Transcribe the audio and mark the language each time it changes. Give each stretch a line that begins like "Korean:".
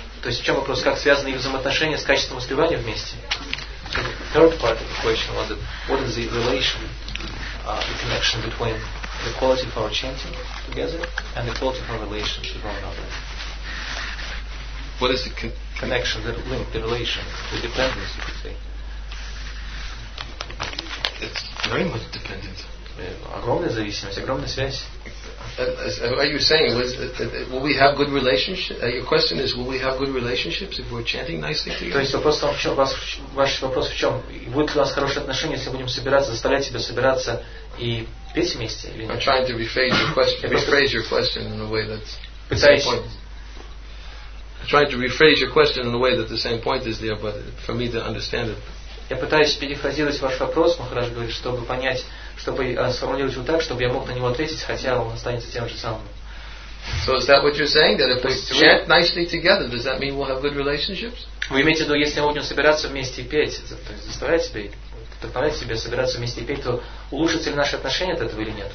Russian: То есть в чем вопрос, как связаны их взаимоотношения с качеством воспевания вместе?
English: Third part of the question was that what is the relation, the connection between the quality of our chanting together and the quality of our relation to one another. What is the connection, the link, the relation, the dependence, you could say? It's very much dependent.
Russian: Огромная зависимость, огромная связь.
English: Are you saying, will we have good relationships? Your question is, will we have good relationships if we're chanting nicely together?
Russian: То есть вопрос в чем, ваш вопрос в чем? Будут ли у нас хорошие отношения, если будем собираться, заставлять себя собираться и петь вместе?
English: I'm trying to rephrase your question. Rephrase your question in a way that's the point. I'm trying to rephrase your question in a way that the same point is there, but for me to understand it.
Russian: Я пытаюсь перефразировать ваш вопрос, Махарадж говорит, чтобы понять, чтобы сформулировать его так, чтобы я мог на него ответить, хотя он останется тем же самым.
English: So is that what you're saying? That if we chant nicely together, does that mean we'll have good relationships?
Russian: Вы имеете в виду, если мы будем собираться вместе и петь, то есть заставлять себя, вдохновлять себя, собираться вместе и петь, то улучшится ли наши отношения от этого или нет?